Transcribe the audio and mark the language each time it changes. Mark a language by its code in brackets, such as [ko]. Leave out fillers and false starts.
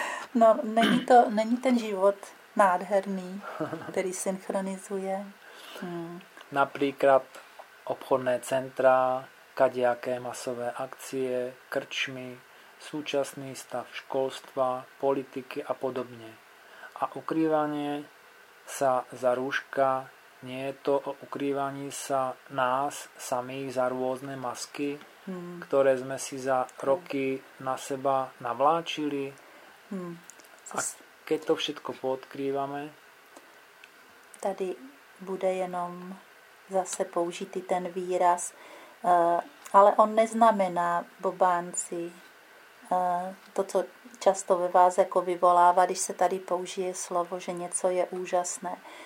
[cs] No, není to, není ten život nádherný, který synchronizuje. [sk] Například obchodné centra, kadejaké masové akcie, krčmy, současný stav školstva, politiky a podobně. A ukrývanie sa za rúška, nie je to o ukrývaní sa nás samých za rôzne masky, ktoré sme si za roky na seba navláčili. A keď to všetko poodkrývame? [cs] Tady bude jenom zase použitý ten výraz. Ale on neznamená, bobánci, to, co často ve vás jako vyvolává, když se tady použije slovo, že něco je úžasné.